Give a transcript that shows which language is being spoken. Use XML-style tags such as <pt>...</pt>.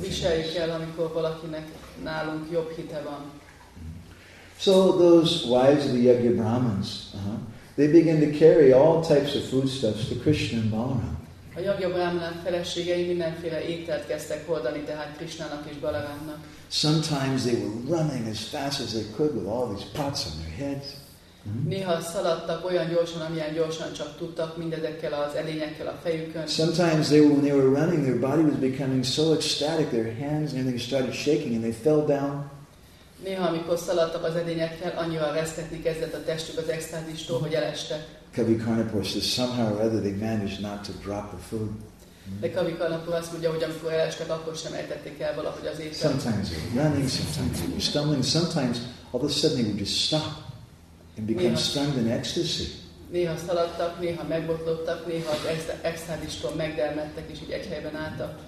<hu>Viseljük el, amikor valakinek nálunk jobb hite van.</hu> <en>So those wives of the Yajna Brahmins, they begin to carry all types of foodstuffs to Krishna and Balaram.</en> <hu>A Yajna Brahmana feleségei mindenféle ételt kezdtek hordani, tehát Krishnának és Balarámnak.</hu> <en>Sometimes they were running as fast as they could with all these pots on their heads.</en> <hu>Néha szaladtak olyan gyorsan, amilyen gyorsan csak tudtak mindezekkel az edényekkel a fejükön.</hu> <en>Sometimes they, when they were running, their body was becoming so ecstatic, their hands and everything started shaking and they fell down.</en> <hu>Néha, amikor szaladtak az edényekkel, annyira reszketni kezdett a testük az extázistól, hogy elestek.</hu> <en>Kavi Karnapur says somehow or other they managed not to drop the food.</en> <hu>De Kavi Karnapur azt mondja, hogy amikor elestek, akkor sem etették el valahogy az ételt.</hu> <en>Sometimes they were running, sometimes they were stumbling, sometimes all of a sudden they would just stop. And become stunned in ecstasy.</en> <hu>Néha szaladtak, néha megbotlottak, néha az extázistól megdermedtek, és így egy helyben álltak.</hu>